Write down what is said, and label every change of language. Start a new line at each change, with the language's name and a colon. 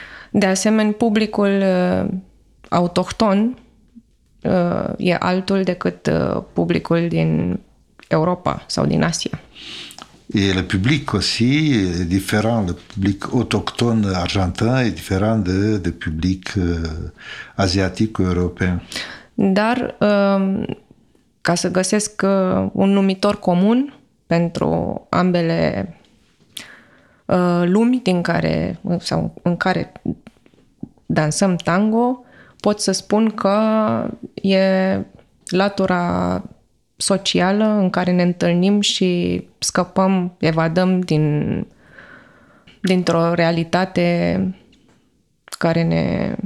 Romanian: De asemenea, publicul autohton e altul decât publicul din Europa sau din Asia.
French: Et le public aussi est différent. Le public autochtone argentin est différent de public asiatic ou européen.
Romanian: Dar, ca să găsesc un numitor comun pentru ambele lumi din care, sau în care dansăm tango, pot să spun că e latura socială în care ne întâlnim și scăpăm, evadăm dintr-o realitate care ne